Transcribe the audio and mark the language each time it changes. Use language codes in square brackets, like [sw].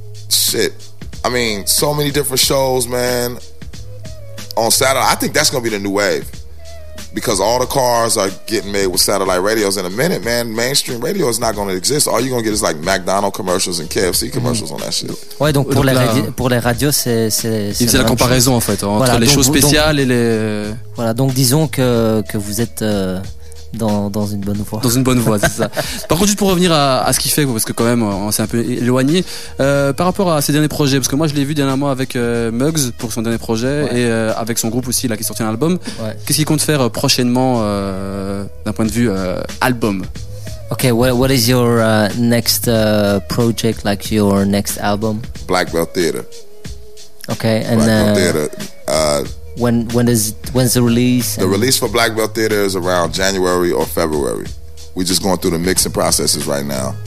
[en] Shit, I mean, so many different shows, man, on satellite. I think that's gonna be the new wave, because all the cars are getting made with satellite radios. In a minute, man, mainstream radio is not gonna exist. All you're gonna get is like McDonald's commercials and KFC commercials on that shit. [fr] Ouais, donc pour, pour les radios, c'est il faisait la comparaison en fait entre voilà, les choses spéciales et les voilà. Donc disons que vous êtes dans une bonne voie. Dans une bonne voie, c'est ça. Par contre, juste pour revenir à ce qu'il fait, parce que quand même, on s'est un peu éloigné. Par rapport à ses derniers projets, parce que moi, je l'ai vu dernièrement avec Muggs pour son dernier projet, ouais, et avec son groupe aussi, là, qui sortait un album. Ouais. Qu'est-ce qu'il compte faire prochainement, d'un point de vue album? [en] Ok, what is your next project, like your next album? Black Belt Theater. Ok, and Black Belt Theater. When's the release? The release for Black Belt Theater is around January or February. We're just going through the mixing processes right now.